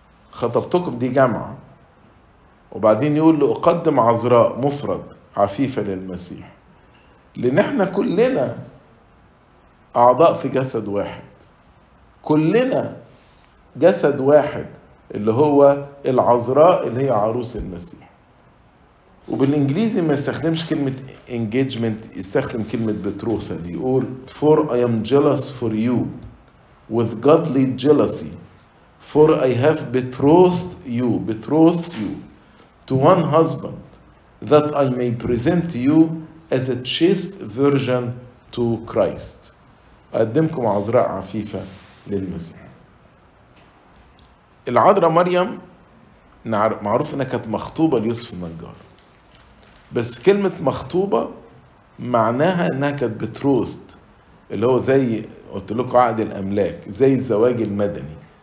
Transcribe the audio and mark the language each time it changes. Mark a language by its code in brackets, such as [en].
[ar] خطبتكم دي جمع. وبعدين يقول له: أقدم عذراء مفرد عفيفة للمسيح، لأن احنا كلنا أعضاء في جسد واحد، كلنا جسد واحد اللي هو العذراء اللي هي عروس المسيح. وبالإنجليزي ما يستخدمش كلمة engagement، يستخدم كلمة betrothal. يقول: [en] For I am jealous for you with godly jealousy, for I have betrothed you, betrothed you to one husband, that I may present you as a chaste virgin to Christ. [ar] أقدمكم عذراء عفيفة للمسيح. العذراء مريم معروف أنها كانت مخطوبة ليوسف النجار، بس كلمة مخطوبة معناها أنها كانت بتروست، اللي هو زي قلت لكم عقد الأملاك، زي الزواج المدني.